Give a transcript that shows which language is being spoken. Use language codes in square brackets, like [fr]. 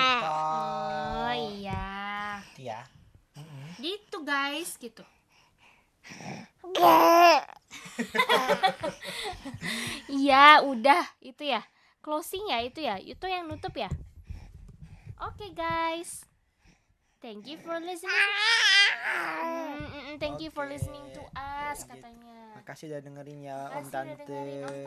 [id] Oh iya ya. Gitu guys gitu. Ya udah itu ya closing ya itu ya, itu yang nutup ya. [en] Oke guys, thank you for listening. Thank you for listening to us [id] katanya. Makasih udah dengerin ya om tante.